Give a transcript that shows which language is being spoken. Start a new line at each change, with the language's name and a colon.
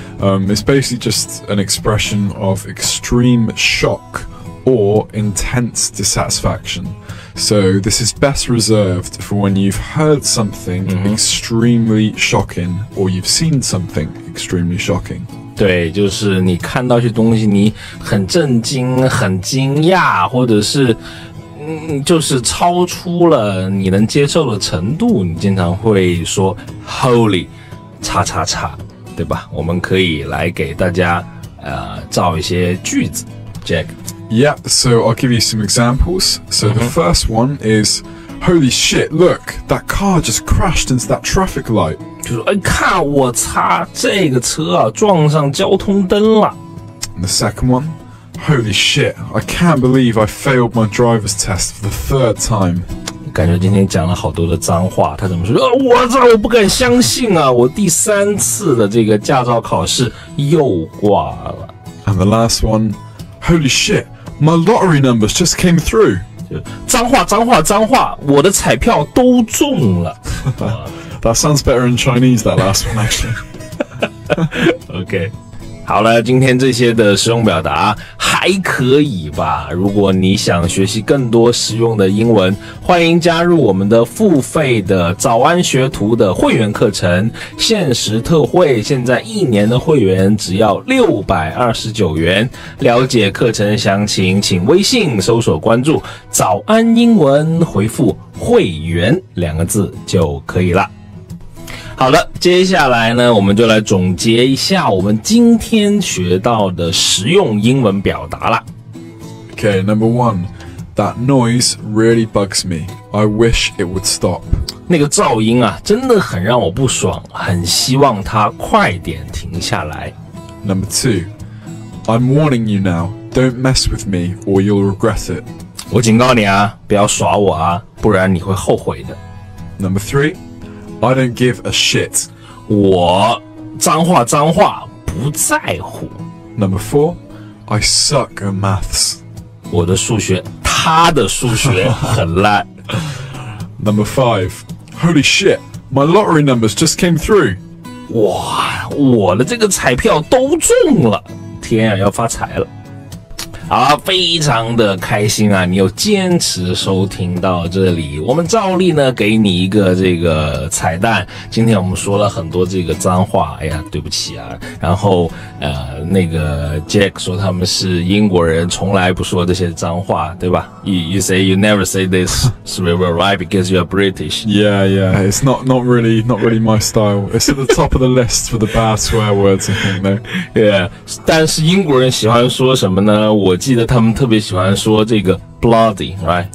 English: It's basically just an expression of extreme shock. Or intense dissatisfaction. So this is best reserved for when you've heard something extremely shocking or you've seen something extremely shocking.
Chinese: 对，就是你看到一些东西，你很震惊，很惊讶，或者是，就是超出了你能接受的程度，你经常会说 holy 叉叉叉，对吧？我们可以来给大家，造一些句子 ，Jack。
English: Yeah, so I'll give you some examples. So the first one is, holy shit, look, that car just crashed into that traffic light. 就说，看我擦，这个车啊，撞上交通灯了。 And the second one, holy shit, I can't believe I failed my driver's test for the third time.
Chinese: 感觉今天讲了好多的脏话，他怎么说，我操，我不敢相信啊，我第三次的这个驾照考试又挂了。
English: And the last one,Holy shit, my lottery numbers just came through.
Chinese: 脏话脏话脏话我的彩票都中了。
English: That sounds better in Chinese, that last one, actually. Okay.
Chinese: 好了，今天这些的实用表达还可以吧？如果你想学习更多实用的英文，欢迎加入我们的付费的早安学徒的会员课程，限时特惠，现在一年的会员只要629元。了解课程详情，请微信搜索关注“早安英文”，回复“会员”两个字就可以了。好了，接下来呢，我们就来总结一下我们今天学到的实用英文表达啦。
English: Okay, number one, that noise really bugs me. I wish it would stop.
Chinese: 那个噪音啊，真的很让我不爽，很希望它快点停下来。
English: Number two, I'm warning you now. Don't mess with me or you'll regret it.
Chinese: 我警告你啊，不要耍我啊，不然你会后悔的。
English: Number three,I don't give a shit.
Chinese: 我脏话脏话不在乎。
English: Number four, I suck at maths.
Chinese: 我的数学，他的数学很烂。
English: Number five, holy shit, my lottery numbers just came through.
Chinese: 哇，我的这个彩票都中了，天啊，要发财了。好，非常的开心啊，你有坚持收听到这里，我们照例呢给你一个这个彩蛋。今天我们说了很多这个脏话，哎呀对不起啊，然后那个 Jack 说他们是英国人，从来不说这些脏话，对吧？
English: You say you never say this swear right because you are British. Yeah, yeah, it's not really my style. It's at the top of the list for the bad swear words, I think, no.
Chinese: Yeah, 但是英国人喜欢说什么呢？我记得他们特别喜欢说这个 bloody, right?